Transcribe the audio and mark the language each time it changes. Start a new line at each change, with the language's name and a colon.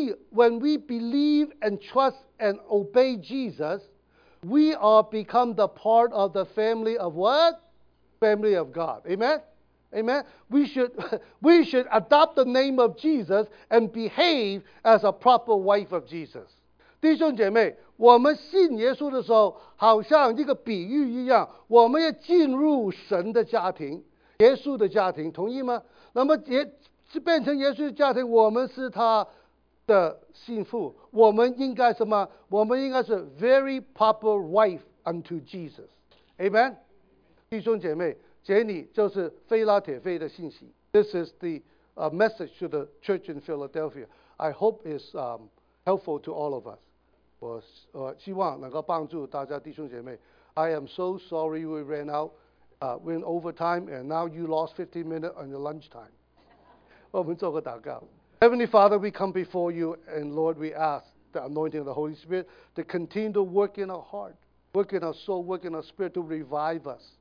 English: When we believe and trust and obey Jesus, we are become the part of the family of what? Family of God. Amen? Amen? We should adopt the name of Jesus and behave as a proper wife of Jesus.
Chinese: 弟兄姐妹，我们信耶稣的时候，好像一个比喻一样，我们要进入神的家庭，耶稣的家庭，同意吗？那么也是变成耶稣的家庭，我们是他的信徒，我们应该什么？我们应该是
English: very proper wife unto Jesus，
Chinese: Amen。弟兄姐妹，这里就是腓拉铁腓的信息。
English: This is the message to the church in Philadelphia. I hope is helpful to all of us.
Chinese: 我希望能够帮助大家，弟兄姐妹。
English: I am so sorry we ran out, went over time, and now you lost 15 minutes on your lunch time.
Chinese: 我们做个祷告。
English: Heavenly Father, we come before you, and Lord, we ask the anointing of the Holy Spirit to continue to work in our heart, work in our soul, work in our spirit to revive us.